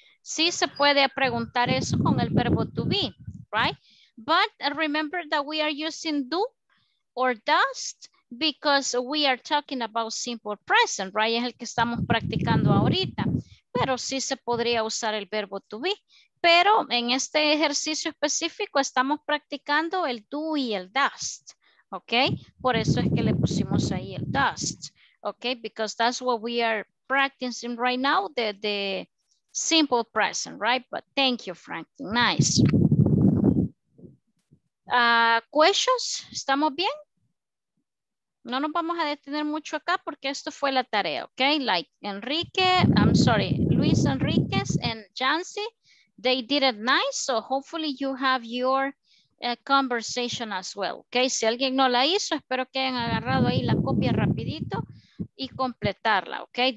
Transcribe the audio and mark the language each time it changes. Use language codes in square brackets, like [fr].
[es] Sí se puede preguntar eso con el verbo to be, right? [en] But remember that we are using do or does. Because we are talking about simple present, right? [es] Es el que estamos practicando ahorita. Pero sí se podría usar el verbo to be. Pero en este ejercicio específico estamos practicando el do y el does. ¿Ok? Por eso es que le pusimos ahí el does. ¿Ok? [en] Because that's what we are practicing right now, the simple present, right? But thank you, Franklin. Nice. [es] ¿Questions? ¿Estamos bien? No nos vamos a detener mucho acá porque esto fue la tarea, ¿ok? [en] Like Enrique, I'm sorry, Luis Enriquez and Jancy, they did it nice, so hopefully you have your conversation as well, ¿ok? [es] Si alguien no la hizo, espero que hayan agarrado ahí la copia rapidito y completarla, ¿ok?